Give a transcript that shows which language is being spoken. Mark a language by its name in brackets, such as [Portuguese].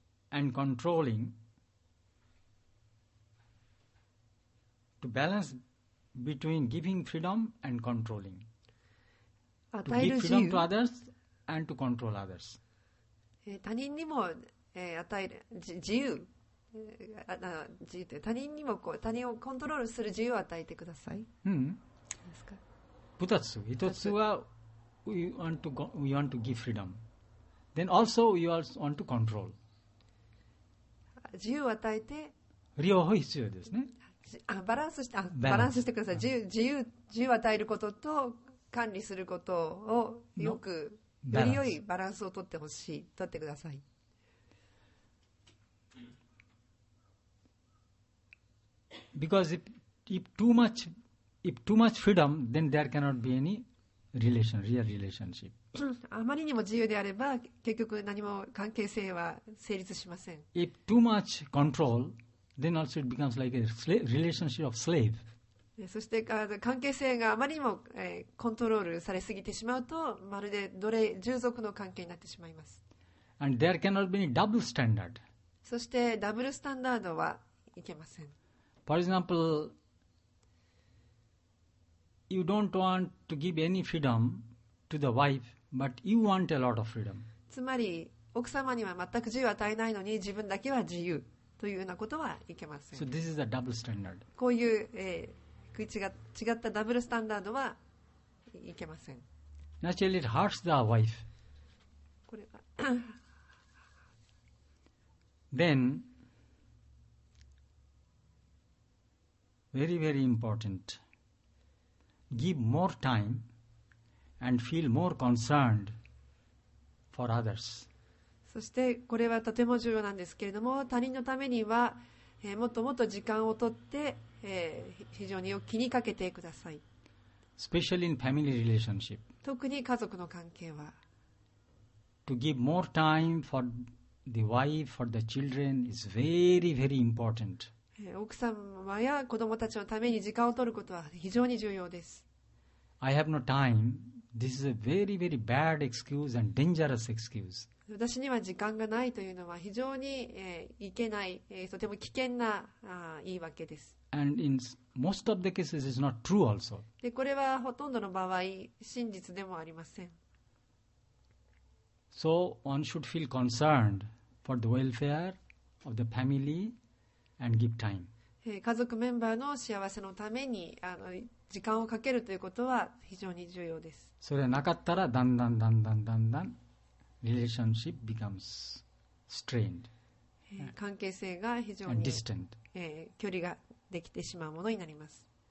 [English] And controlling to balance between giving freedom and controlling. To give freedom to others and to control others. [Japanese] 他人にも、与える自由、自由で他人にもこう他人をコントロールする自由を与えてください。うん。ですか。二つ。一つは [English] we want to give freedom. Then also we also want to control. [Japanese] 自由を与えて両方必要ですね。バランスしてください。自由を与えることと管理することをよくより良いバランスを取ってほしい。取ってください。 [English] Because if too much freedom, then there cannot be any relation, real relationship. [Japanese] あまりにも自由であれば結局何も関係性は成立しません。 [English] If too much control, then also it becomes like a relationship of slave. [Japanese] そして関係性があまりにも、コントロールされすぎてしまうとまるで奴隷従属の関係になってしまいます。 [English] And there cannot be any double standard. [Japanese] そしてダブルスタンダードはいけません。 [English] For example, you don't want to give any freedomto the wife, but you want a lot of freedom. [Japanese] つまり奥様には全く自由を与えないのに自分だけは自由というようなことはいけません。 [English] So this is a double standard. [Japanese] こういう、違ったダブルスタンダードはいけません。 [English] Naturally it hurts the wife. [Japanese] これは [English] Then very very important, give more timeAnd feel more concerned for others. [Japanese] そしてこれはとても重要なんですけれども、他人のためにはもっともっと時間をとって非常によく気にかけてください。 [English] Especially in family relationship. [Japanese] 特に家族の関係は [English] To give more time for the wife, for the children is very, very important. [Japanese] 奥様や子供たちのために時間を取ることは非常に重要です。 [English] I have no time. This is a very, very bad excuse and dangerous excuse. [Japanese] 私には時間がないというのは非常に、いけない、とても危険な言い訳です。 [English] And in most of the cases, it's not true also. [Japanese] でこれはほとんどの場合真実でもありません。 [English] So one should feel concerned for the welfare of the family and give time. [Japanese] 家族メンバーの幸せのために時間をかけるということは非常に重要です。それがなかったらだんだんだんだんだんだん [English] Relationship becomes strained. [Japanese] 関係性が非常に [English] and distant. [Japanese] 距離ができてしまうものになります。